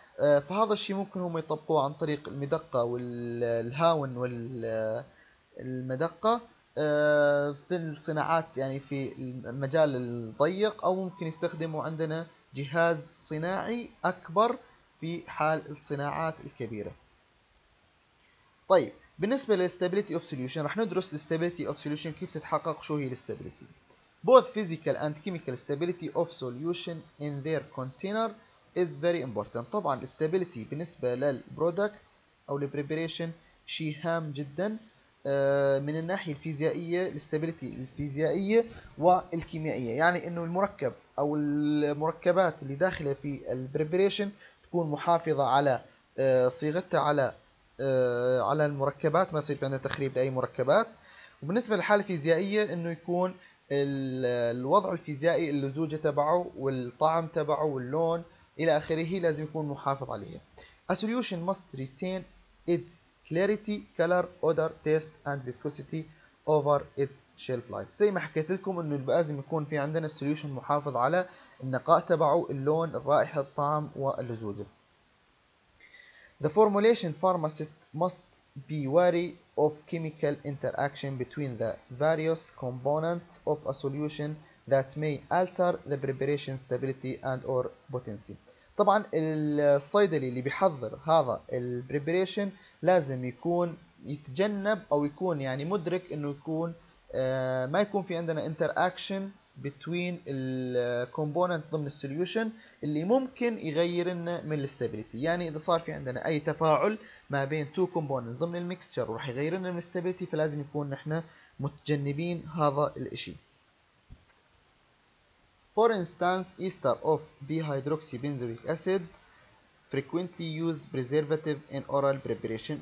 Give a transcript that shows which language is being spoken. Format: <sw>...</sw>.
<ar>فهذا الشيء ممكن هم يطبقوا عن طريق المدقة والهاون والمدقة في الصناعات, يعني في المجال الضيق, أو ممكن يستخدموا عندنا جهاز صناعي أكبر في حال الصناعات الكبيرة. طيب بالنسبة للستابيليتي أوف سوليوشن رح ندرس الستابيليتي أوف سوليوشن كيف تتحقق, شو هي الستابيليتي.</ar> <en>Both physical and chemical stability of solution in their container is very important.</en> <ar>طبعا الستابيليتي بالنسبة للبرودكت أو البريبريشن شيء هام جدا, من الناحية الفيزيائية الاستابيليتي الفيزيائية والكيميائية, يعني انه المركب او المركبات اللي داخلة في البريبريشن تكون محافظة على صيغتها على المركبات, ما يصير عندها تخريب لأي مركبات. وبالنسبة للحالة الفيزيائية انه يكون الوضع الفيزيائي اللزوجة تبعه والطعم تبعه واللون الى اخره لازم يكون محافظ عليها.</ar> <en>A solution must retain its clarity, color, odor, taste, and viscosity over its shelf life.</en> <ar>زي ما حكيت لكم انه لازم يكون في عندنا solution محافظ على النقاء تبعه، اللون، الرائحة، الطعم واللزوجة.</ar> <en>The formulation pharmacist must be wary of chemical interaction between the various components of a solution that may alter the preparation stability and or potency.</en> <ar>طبعا الصيدلي اللي بيحضر هذا البريبريشن لازم يكون يتجنب او يكون يعني مدرك انه يكون ما يكون في عندنا انتر اكشن بتوين الكومبوننت ضمن السوليوشن اللي ممكن يغير لنا من الاستابيليتي. يعني اذا صار في عندنا اي تفاعل ما بين تو كومبوننت ضمن الميكستشر وراح يغير لنا من الاستابيليتي، فلازم يكون نحن متجنبين هذا الاشي.</ar> <en>For instance, ester of B-hydroxybenzoic acid frequently used preservative in oral preparation.</en>